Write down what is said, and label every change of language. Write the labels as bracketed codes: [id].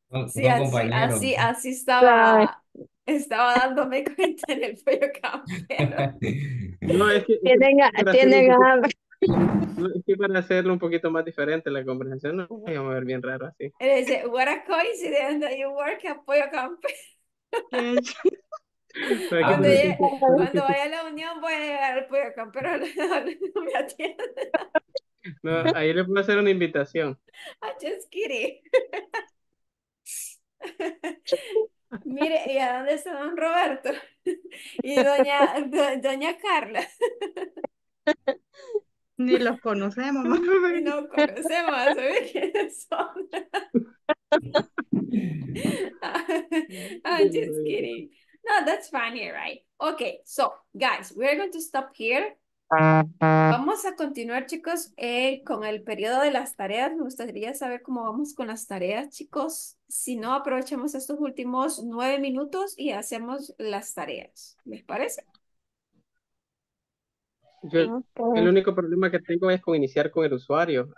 [es] Sí, así estaba dándome cuenta en el Pollo Campero. No, es que tienen hambre. Es que para hacerlo un poquito más diferente la conversación, no me voy a mover bien raro así. Dice, [en] what a coincidence that you work at Pollo Campero. [es] Cuando vaya a la Unión voy a llegar al Pollo Campero, no me atiende. No, ahí le puedo hacer una invitación. [en] I just kidding. [es] Mire, ¿y a dónde está don Roberto? Y doña Carla. Ni los conocemos. No conocemos, ¿sabes quiénes son? [en] I just kidding. No, that's funny, right? Okay, so, guys, we're going to stop here. [es] Vamos a continuar, chicos, con el periodo de las tareas. Me gustaría saber cómo vamos con las tareas, chicos. Si no, aprovechamos estos últimos 9 minutos y hacemos las tareas. ¿Les parece? Yo, el único problema que tengo es con iniciar con el usuario.